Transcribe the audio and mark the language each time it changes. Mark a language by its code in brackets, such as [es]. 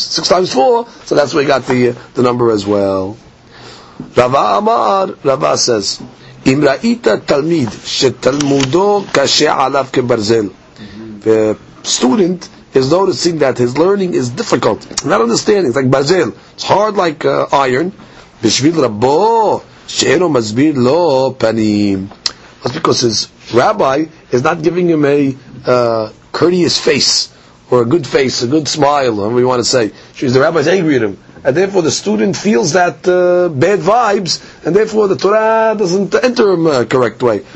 [en] Six times four, so that's where he got the number as well. [he] Rava Amar, [en] Rava says, [he] אם ראית תלמיד שתלמודו קשה עליו כברזל. [en] The student is noticing that his learning is difficult. Not understanding, it's like ברזל. It's hard like iron. [he] בשביל רבו שאינו מסביר לו פנים. [en] That's because his rabbi is not giving him a courteous face, or a good face, a good smile, whatever you want to say. She's the rabbi's angry at him. And therefore the student feels that bad vibes, and therefore the Torah doesn't enter him correct way.